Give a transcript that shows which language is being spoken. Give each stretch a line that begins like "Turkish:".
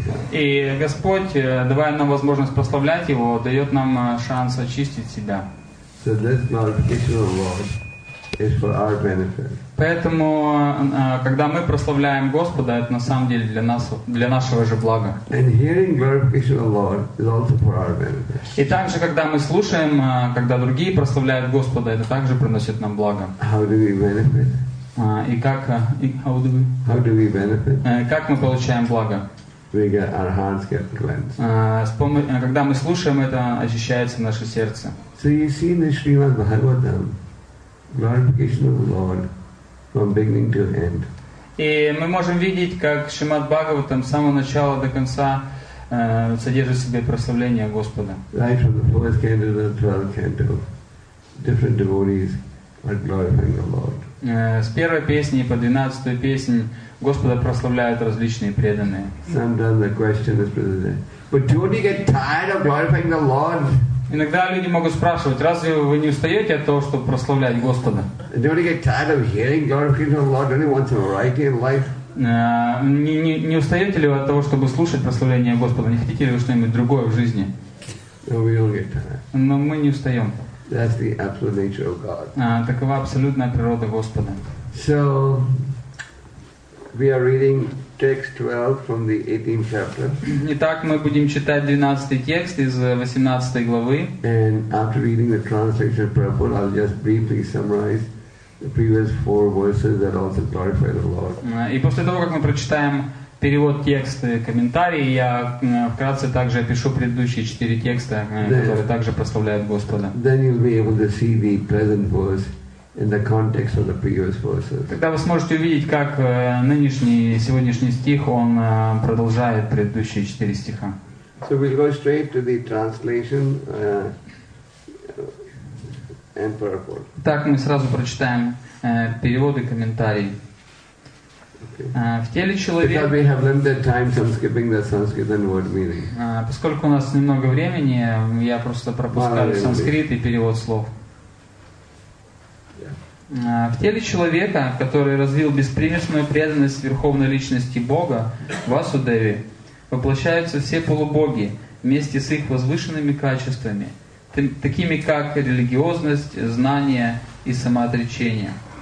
Russian: И Господь, давая нам возможность прославлять Его, дает нам шанс очистить себя.
English: So this glorification of Lord is for our benefit.
Russian: Поэтому, когда мы прославляем Господа, это на самом деле для нас, для нашего же блага.
English: And hearing glorification of Lord is also for our benefit.
Russian: И также, когда мы слушаем, когда другие прославляют Господа, это также приносит нам благо.
English: How do we benefit?
Russian: Как мы получаем благо?
English: We get our hearts get cleansed.
Russian: Когда мы слушаем это, очищается наше сердце.
English: So you see in the Srimad Bhagavatam, glorification of the Lord from beginning to end.
Russian: И мы можем видеть, как Шримад Бхагаватам с самого начала до конца содержит в себе прославление Господа.
English: Right from the fourth canto to the twelfth canto, different devotees are glorifying the Lord.
Russian: С первой песни по двенадцатую песнь Господа прославляют различные преданные.
English: Sometimes the question is presented, but don't you get tired of glorifying the Lord?
Russian: Иногда люди могут спрашивать, разве вы не устаете от того, чтобы прославлять Господа?
English: Don't you get tired of hearing glorifying the Lord? Don't you want some variety in life?
Russian: Не устаете ли вы от того, чтобы слушать прославление Господа? Не хотите ли вы что-нибудь другое в жизни?
English: No, we don't get tired.
Russian: Но мы не устаем.
English: That's the absolute nature of God.
Russian: Такова абсолютная природа Господа.
English: So, we are reading text 12 from the 18th chapter.
Russian: Итак, мы будем читать 12 текст из 18 главы.
English: And after reading the translation of purport, I'll just briefly summarize the previous four verses that also glorify the Lord.
Russian: И после того, как мы прочитаем перевод текста и комментарий, я вкратце также опишу предыдущие четыре текста, которые также прославляют Господа.
English: Then you'll be able to see the present verse in the context of the previous verses.
Russian: Тогда вы сможете увидеть, как нынешний, сегодняшний стих, он продолжает предыдущие четыре стиха.
English: So we'll go straight to the translation and purport.
Russian: Так, мы сразу прочитаем перевод и комментарий.
English: Because we have limited time, so I'm skipping the Sanskrit and word meaning.
Russian: Поскольку у нас немного времени, я просто пропускаю санскрит и перевод слов. В теле человека, который развил беспримесную преданность верховной личности Бога, Васудеве, воплощаются все полубоги вместе с их возвышенными качествами, такими как религиозность, знание и самоотречение.